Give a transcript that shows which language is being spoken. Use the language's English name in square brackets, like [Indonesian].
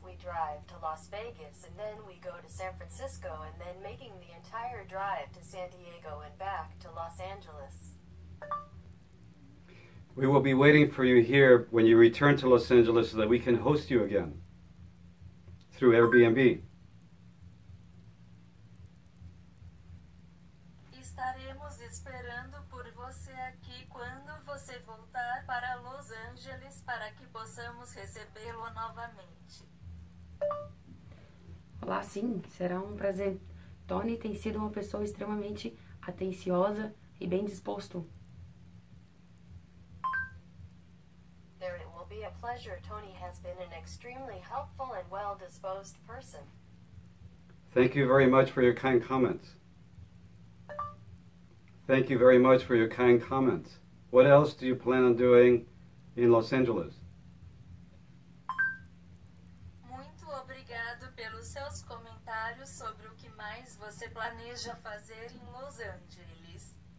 [English] We drive to Las Vegas and then we go to San Francisco and then making the entire drive to San Diego and back to Los Angeles. We will be waiting for you here when you return to Los Angeles so that we can host you again through Airbnb. [Portuguese] Estaremos esperando por você aqui quando você voltar para Los Angeles para que possamos recebê-lo novamente. Olá, sim, será um prazer. Tony tem sido uma pessoa extremamente atenciosa e bem disposto. [English] Be a pleasure. Tony has been an extremely helpful and well-disposed person. Thank you very much for your kind comments. Thank you very much for your kind comments. What else do you plan on doing in Los Angeles? [Portuguese] Muito obrigado pelos seus comentários sobre o que mais você planeja fazer em Los Angeles.